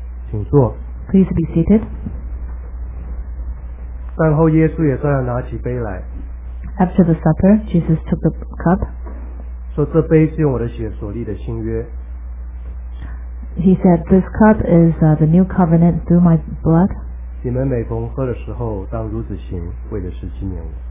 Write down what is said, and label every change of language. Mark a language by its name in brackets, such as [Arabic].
[Chinese] 请坐。 [English] Please be seated. [Chinese] 饭后耶稣也照样拿起杯来。 [English] After the supper, Jesus took the cup. [Chinese] 说这杯是用我的血所立的新约。 [English] He said, "This cup is the new covenant through my blood." [Chinese] 你们每逢喝的时候，当如此行，为的是纪念我。